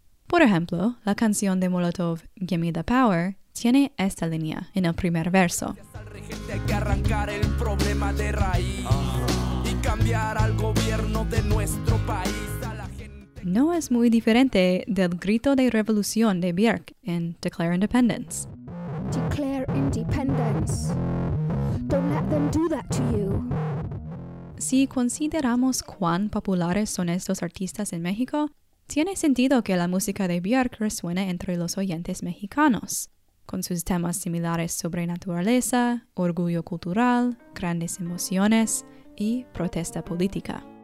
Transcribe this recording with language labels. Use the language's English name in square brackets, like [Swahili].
[Spanish] Por ejemplo, la canción de Molotov, Gimme the Power, tiene esta línea en el primer verso. Hay que arrancar el problema de raíz y cambiar al gobierno de nuestro país. No es muy diferente del grito de revolución de Björk en Declare Independence. [English] Declare Independence. Don't let them do that to you. [Spanish] Si consideramos cuán populares son estos artistas en México, tiene sentido que la música de Björk resuene entre los oyentes mexicanos, con sus temas similares sobre naturaleza, orgullo cultural, grandes emociones y protesta política.